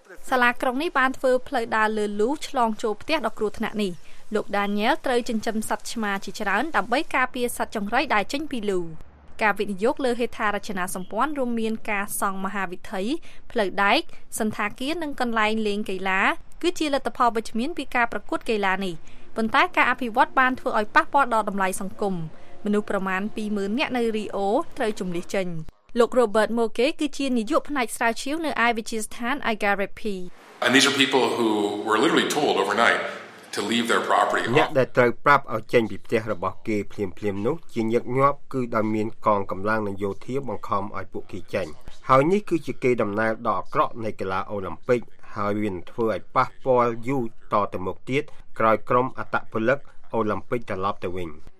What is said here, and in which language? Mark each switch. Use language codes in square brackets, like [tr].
[km] សាលាក្រុងនេះបានធ្វើផ្លូវដើរលើលូឆ្លងចូលផ្ទះដ៏គ្រោះថ្នាក់នេះលោក Daniel ត្រូវចិញ្ចឹមសត្វឆ្មាជាច្រើនដើម្បីការពារសត្វចង្រៃដែលចេញពីលូការវិនិយោគលើហេដ្ឋារចនាសម្ព័ន្ធរួមមានការសង់មហាវិថីផ្លូវដែកសន្តាគារនិងកន្លែងលេងកីឡាគឺជាលទ្ធផលវិជ្ជមានពីការប្រកួតកីឡានេះប៉ុន្តែការអភិវឌ្ឍបានធ្វើឲ្យប៉ះពាល់ដល់តម្លៃសង្គមមនុស្សប្រមាណ 20,000 នាក់នៅរីអូត្រូវជម្លៀសចេញ លោក Robert Moke គឺជានាយកផ្នែកស្រាវជ្រាវនៅឯវិទ្យាស្ថាន Igarapi [en] And these are people who were literally told overnight to leave their property [km] អ្នកដែលត្រូវប្រាប់ឲ្យចេញពីផ្ទះរបស់គេភ្លាមៗនោះជាញឹកញាប់គឺដោយមានកងកម្លាំងនយោធាបង្ខំឲ្យពួកគេចេញហើយនេះគឺជាគេដំណើរដ៏អាក្រក់នៃកីឡាអូឡាំពិកហើយវានឹងធ្វើឲ្យប៉ះពាល់យូរតទៅមុខទៀតក្រោយក្រុមអត្តពលិកអូឡាំពិកត្រឡប់ទៅវិញ